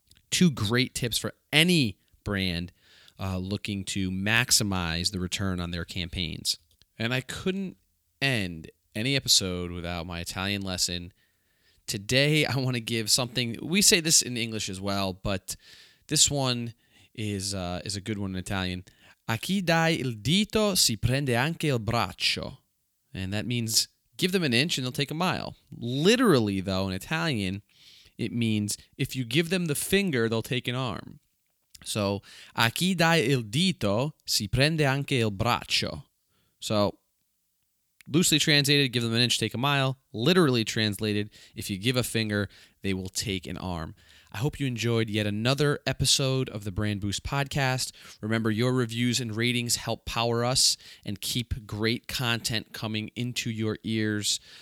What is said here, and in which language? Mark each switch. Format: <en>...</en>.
<en>Two great tips for any brand looking to maximize the return on their campaigns. And I couldn't end any episode without my Italian lesson. Today, I want to give something. We say this in English as well, but this one is a good one in Italian.</en> <it>A chi dai il dito si prende anche il braccio.</it> <en>And that means give them an inch and they'll take a mile. Literally, though, in Italian, it means if you give them the finger, they'll take an arm.</en> <it>So, a chi dai il dito si prende anche il braccio.</it> <en>So, loosely translated, give them an inch, take a mile. Literally translated, if you give a finger, they will take an arm. I hope you enjoyed yet another episode of the Brand Boost Podcast. Remember, your reviews and ratings help power us and keep great content coming into your ears.</en>